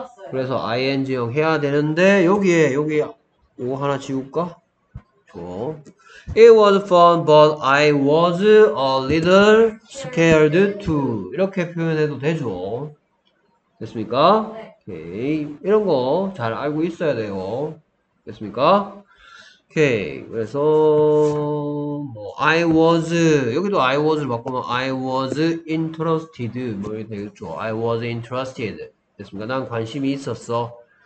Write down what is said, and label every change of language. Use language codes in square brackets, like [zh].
[ko] 그래서 ing형 해야 되는데 여기 이거 하나 지울까? 좋아. [en] It was fun, but I was a little scared too. [ko] 이렇게 표현해도 되죠. 됐습니까? 오케이. 이런 거잘 알고 있어야 돼요. 됐습니까? 오케이. 그래서 뭐 I was 여기도 I was를 바꾸면 [en] I was interested [ko] 뭐 이렇게 되겠죠. [en] I was interested. [ko] 됐습니까? 난 관심이 있었어.